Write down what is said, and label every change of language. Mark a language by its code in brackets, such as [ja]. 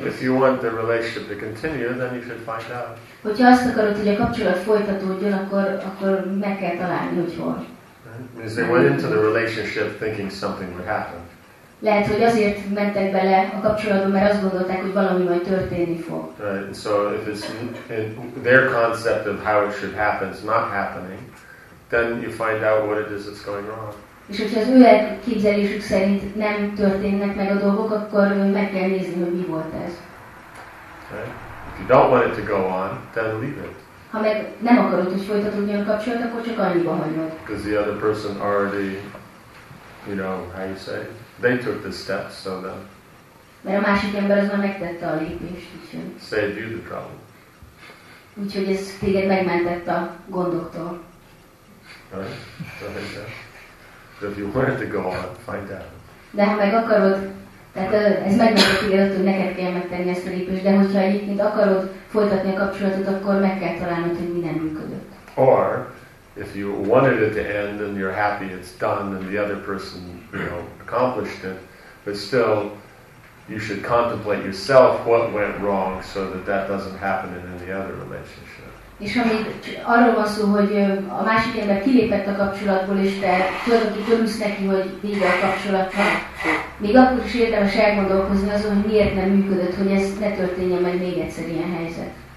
[en] If you want the relationship to continue, then you should find out. [hu] Hogyha azt akarod, hogy a kapcsolat folytatódjon, akkor meg kell találni, hogy hol. [en] Because they went into the relationship thinking something would happen. [hu] Lehet, hogy azért mentek bele a kapcsolatba, mert azt gondolták, hogy valami majd történni fog. [en] Right. So if it's their concept of how it should happen is not happening, then you find out what it is that's going wrong. [hu] És hogyha az ő elképzelésük szerint nem történnek meg a dolgok, akkor meg kell nézni, hogy mi volt ez. [en] Right. If you don't want it to go on, then leave it. [hu] Ha meg nem akarod, hogy folytatódjon a kapcsolat, akkor csak annyiba hagyod. [en] Because the other person already, you know, how you say it? They took the steps, so then. [hu] Mert a másik ember az már megtette a lépést, úgyhogy. [en] Saved you the problem. [hu] Úgyhogy ez téged megmentett a gondoktól. [en] Right? So if you wanted to go on, find out. [hu] De ha meg akarod, tehát ez megmentett téged attól, hogy neked kell megtenni ezt a lépést, de hogyha egyébként akarod folytatni a kapcsolatot, akkor meg kell találnod, hogy mi nem működött. [en] Or, if you wanted it to end and you're happy it's done and the other person, you know, accomplished it, but still you should contemplate yourself what went wrong so that that doesn't happen in any other relationship. [hu] És amíg arról van szó, hogy a másik ember kilépett a kapcsolatból, és te tulajdonképpen örülsz neki, hogy vége a kapcsolatnak, még akkor is érdemes elgondolkozni azon, hogy miért nem működött, hogy ez ne történjen meg még egyszer ilyen helyzet.